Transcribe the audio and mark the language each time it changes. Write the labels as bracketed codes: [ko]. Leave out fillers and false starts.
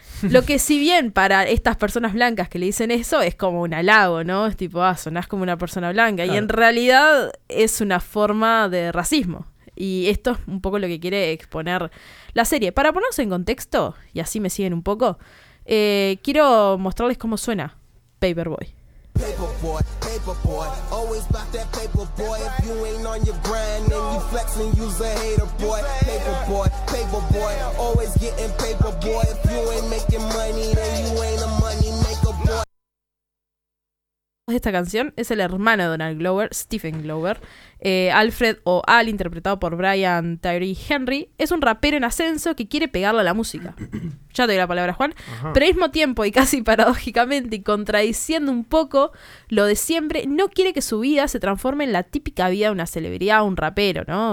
[es] Lo que si bien para estas personas blancas que le dicen eso es como un halago, ¿no? Es tipo, sonás como una persona blanca. Claro. Y en realidad es una forma de racismo. Y esto es un poco lo que quiere exponer la serie. Para ponerse en contexto, y así me siguen un poco, quiero mostrarles cómo suena Paperboy. [en] Paperboy, always about that paperboy. If you ain't on your grind, then you flexing, you's a hater boy. Paperboy, paperboy, always getting paperboy. If you ain't making money, then you ain't a money maker boy. [es] Esta canción es el hermano de Donald Glover, Stephen Glover. Alfred o Al, interpretado por Brian Tyree Henry, es un rapero en ascenso que quiere pegarle a la música. Ya te doy la palabra, Juan. Ajá. Pero al mismo tiempo, y casi paradójicamente, y contradiciendo un poco lo de siempre, no quiere que su vida se transforme en la típica vida de una celebridad o un rapero, ¿no?